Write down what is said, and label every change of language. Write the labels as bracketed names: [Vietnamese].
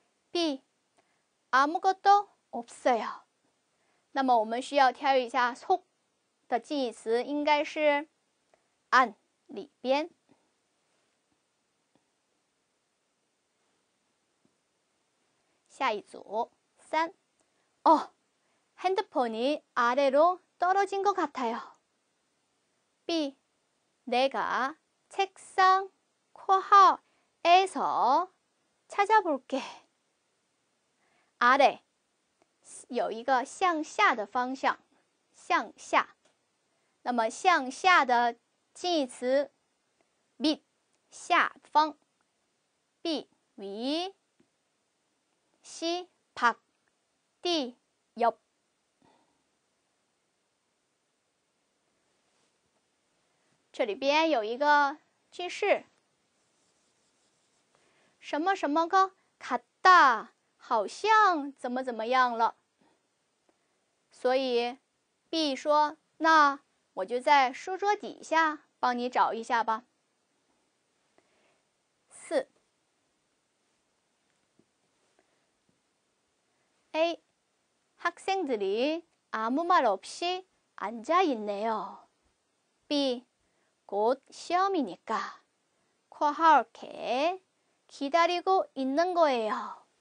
[Chinese] B [Korean] 아무것도 없어요 [Chinese] 那么我们需要挑一下 속的近义词应该是 안,里边 下一组 3. [Korean] 어, 핸드폰이 아래로 떨어진 것 같아요. B. 내가 책상 括号에서 찾아볼게. [Chinese] 아래 有一个向下的方向向下那么向下的近义词 밑 下方 B. [Korean] 위 C. 밖 D. [Chinese] 옆 这里边有一个句式什么什么个卡大好像怎么怎么样了所以 B 说那我就在书桌底下帮你找一下吧 A. [Korean] 학생들이 아무 말 없이 앉아있네요. B. 곧 시험이니까 括号에 기다리고 있는 거예요.